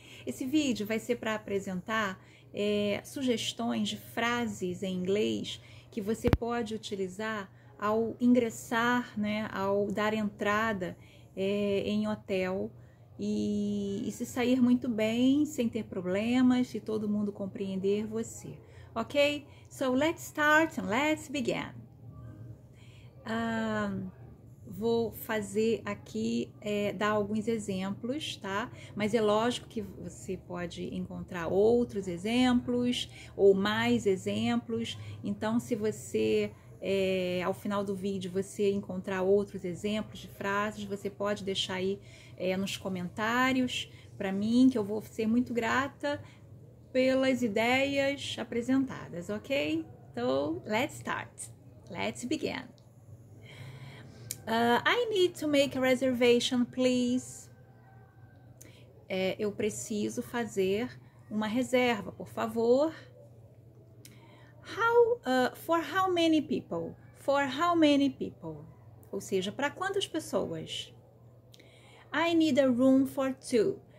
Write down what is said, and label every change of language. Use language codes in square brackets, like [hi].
[pt] Esse vídeo vai ser para apresentar sugestões de frases em inglês que você pode utilizar ao ingressar, né, ao dar entrada em hotel e se sair muito bem, sem ter problemas, se todo mundo compreender você. Ok? [en] So let's start and let's begin. [pt] Vou fazer aqui dar alguns exemplos, tá? Mas é lógico que você pode encontrar outros exemplos ou mais exemplos. Então, se você ao final do vídeo você encontrar outros exemplos de frases, você pode deixar aí nos comentários para mim, que eu vou ser muito grata pelas ideias apresentadas, ok? [en] Então, let's start. Let's begin. I need to make a reservation, please. [pt] Eu preciso fazer uma reserva, por favor. [en] For how many people? For how many people? [pt] Ou seja, para quantas pessoas? [en] I need a room for two.